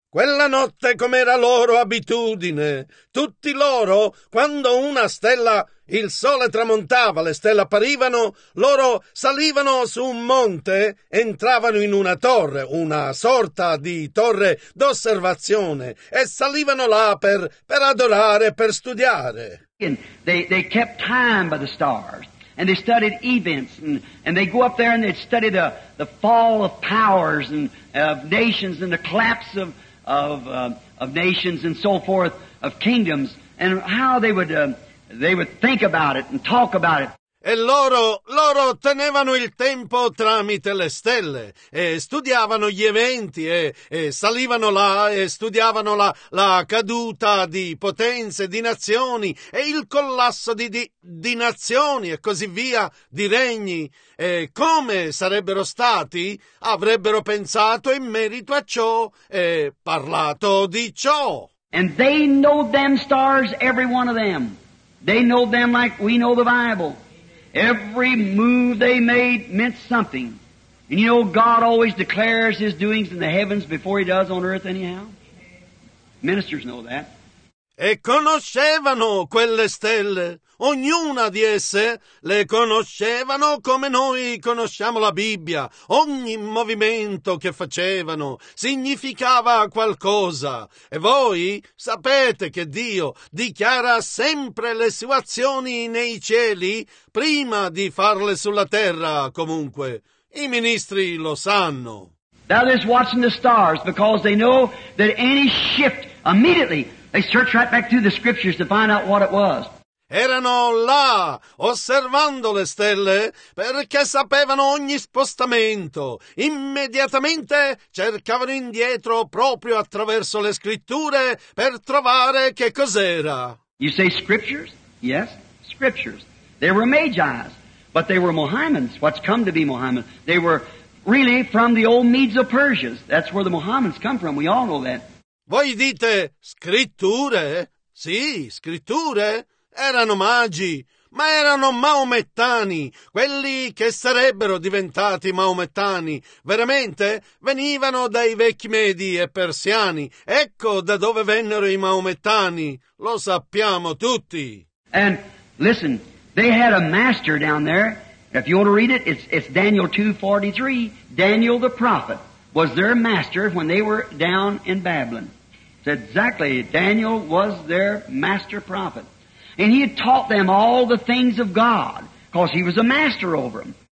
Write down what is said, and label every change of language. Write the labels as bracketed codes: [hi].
[it] Quella notte, com'era loro abitudine, tutti loro, quando una stella, il sole tramontava, le stelle apparivano, loro salivano su un monte, entravano in una torre, una sorta di torre d'osservazione, e salivano là per adorare, per studiare. [en] They kept time by the stars, and they studied events, and they go up there and they study the fall of powers and of nations and the collapse of nations and so forth, of kingdoms, and how they would think about it and talk about it. [it] E loro tenevano il tempo tramite le stelle e studiavano gli eventi e salivano là e studiavano la caduta di potenze, di nazioni e il collasso di nazioni e così via, di regni. E come sarebbero stati? Avrebbero pensato in merito a ciò e parlato di ciò. [en] And they know them stars, every one of them. They know them like we know the Bible. Every move they made meant something. And you know, God always declares his doings in the heavens before he does on earth anyhow. Ministers know that. [it] E conoscevano quelle stelle, ognuna di esse le conoscevano come noi conosciamo la Bibbia. Ogni movimento che facevano significava qualcosa. E voi sapete che Dio dichiara sempre le sue azioni nei cieli prima di farle sulla terra. Comunque, i ministri lo sanno. [en] That is watching the stars, because they know that any shift immediately. They searched right back through the scriptures to find out what it was. [it] Erano là, osservando le stelle, perché sapevano ogni spostamento. Immediatamente cercavano indietro proprio attraverso le scritture per trovare che cos'era. [en] You say scriptures? Yes, scriptures. They were magi's, but they were Mohammedans, what's come to be Mohammedans. They were really from the old Medo-Persians. That's where the Mohammedans come from, we all know that. [it] Voi dite scritture? Sì, scritture. Erano magi, ma erano maomettani, quelli che sarebbero diventati maomettani. Veramente venivano dai vecchi medi e persiani. Ecco da dove vennero i maomettani. Lo sappiamo tutti. [en] And listen, they had a master down there. If you want to read it, it's Daniel 2:43. Daniel the prophet was their master when they were down in Babylon. Exactly. Daniel was their master prophet. And he had taught them all the things of God, because he was a master over them.